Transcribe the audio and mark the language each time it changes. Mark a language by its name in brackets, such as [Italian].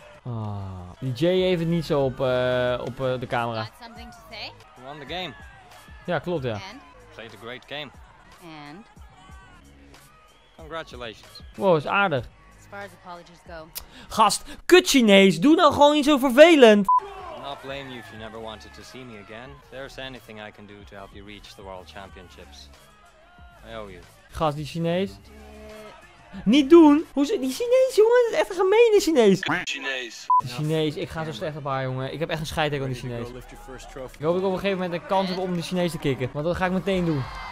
[Dutch] Oh, die Jay heeft het niet zo op de camera. [English] You got something to say? You won the game. [Dutch] Ja, klopt, ja. [English] And? Played a great game. And? Congratulations. [Dutch] Wow, is aardig. [English] As far as apologies go. [Dutch] Gast, kut Chinees. Doe nou gewoon niet zo vervelend. [English] I'll blame you if you never wanted to see me again. If there's anything I can do to help you reach the World Championships, I owe you. [Dutch] Gast, die Chinees. Niet doen! Hoe zit die Chinees, jongen? Dat is echt een gemene Chinees. De Chinees, ik ga zo slecht op haar, jongen. Ik heb echt een scheidtrek aan die Chinees. Ik hoop dat ik op een gegeven moment een kans heb om de Chinees te kicken. Want dat ga ik meteen doen.